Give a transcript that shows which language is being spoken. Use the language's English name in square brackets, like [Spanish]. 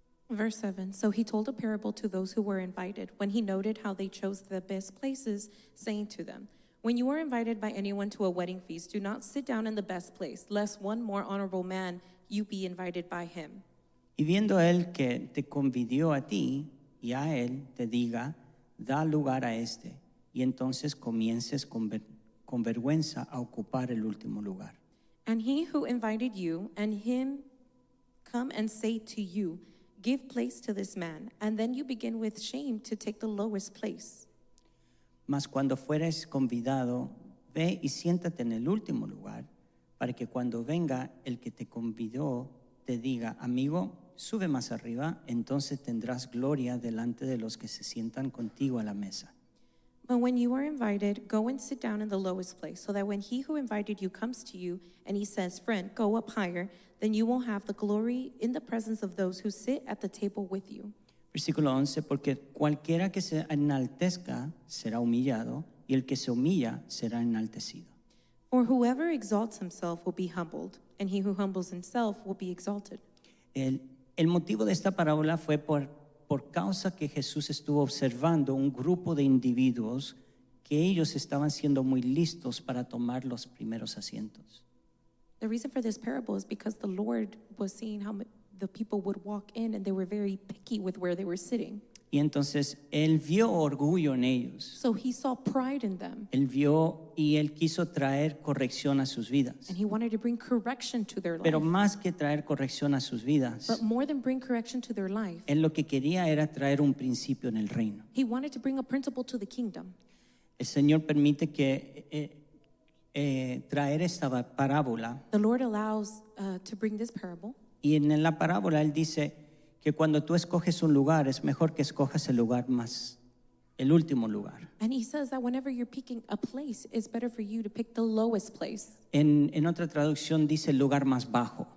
[English] Verse 7, so he told a parable to those who were invited, when he noted how they chose the best places, saying to them, when you are invited by anyone to a wedding feast, do not sit down in the best place, lest one more honorable man you be invited by him. [Spanish] Y viendo él que te convidió a ti, y a él te diga, da lugar a este. Y entonces comiences con vergüenza a ocupar el último lugar. [English] And he who invited you, and him come and say to you, give place to this man, and then you begin with shame to take the lowest place. [Spanish] Mas cuando fueres convidado, ve y siéntate en el último lugar, para que cuando venga el que te convidó, te diga, amigo, sube más arriba, entonces tendrás gloria delante de los que se sientan contigo a la mesa. [English] But when you are invited, go and sit down in the lowest place, so that when he who invited you comes to you and he says, friend, go up higher, then you will have the glory in the presence of those who sit at the table with you. [Spanish] Versículo 11, porque cualquiera que se enaltezca será humillado, y el que se humilla será enaltecido. [English] For whoever exalts himself will be humbled, and he who humbles himself will be exalted. [Spanish] El motivo de esta parábola fue por causa que Jesús estuvo observando un grupo de individuos que ellos estaban siendo muy listos para tomar los primeros asientos. [English] The reason for this parable is because the Lord was seeing how the people would walk in and they were very picky with where they were sitting. [Spanish] Y entonces él vio orgullo en ellos. [English] So he saw pride in them. [Spanish] Él vio y él quiso traer corrección a sus vidas. [English] And he wanted to bring correction to their life. [Spanish] Pero más que traer corrección a sus vidas. [English] But more than bring correction to their life. [Spanish] Él lo que quería era traer un principio en el reino. [English] He wanted to bring a principle to the kingdom. [Spanish] El Señor permite que traer esta parábola. [English] The Lord allows to bring this parable. [Spanish] Y en la parábola él dice que cuando tú escoges un lugar, es mejor que escojas el lugar más, el último lugar. [English] And he says that whenever you're picking a place, it's better for you to pick the lowest place. [Spanish] En otra traducción dice el lugar más bajo.